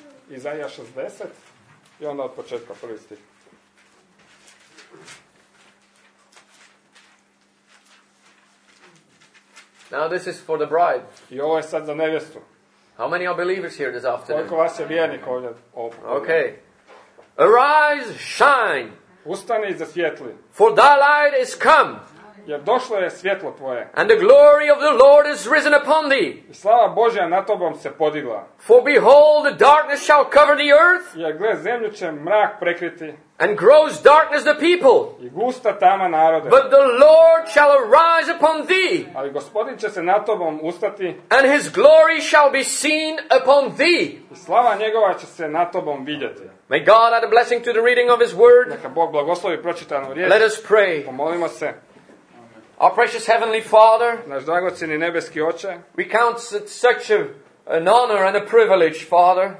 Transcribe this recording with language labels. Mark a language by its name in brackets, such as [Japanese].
[Croatian] Isaiah 60. I onda od početka prvi stih. [English] Now this is for the bride. [Croatian] I ovo je sad za nevjestu. [English] How many are believers here this afternoon? [Croatian] Koliko vas je vjernik ovdje? [English] Okay. Arise, shine. [Croatian] Ustani i zasvjetli. [English] For thy light is come. [Croatian] Jer došlo je svjetlo tvoje. [English] And the glory of the Lord is risen upon thee. [Croatian] I slava Božja na tobom se podigla. [English] For behold, the darkness shall cover the earth. [Croatian] Jer gle, zemlju će mrak prekriti. [English] And grows darkness the people. [Croatian] I gusta tama narode. [English] But the Lord shall arise upon thee. [Croatian] Ali Gospodin će se na tobom ustati. [English] And his glory shall be seen upon thee. [Croatian] I slava njegova će se na tobom vidjeti. [English] May God add a blessing to the reading of his word. [Croatian] Neka Bog blagoslovi pročitanu riječ. [English] Let us pray. [Croatian] Pomolimo se. [English] Our precious heavenly Father. [Croatian] Naš dragocjeni nebeski Oče. [English] We count it such an honor and a privilege, Father.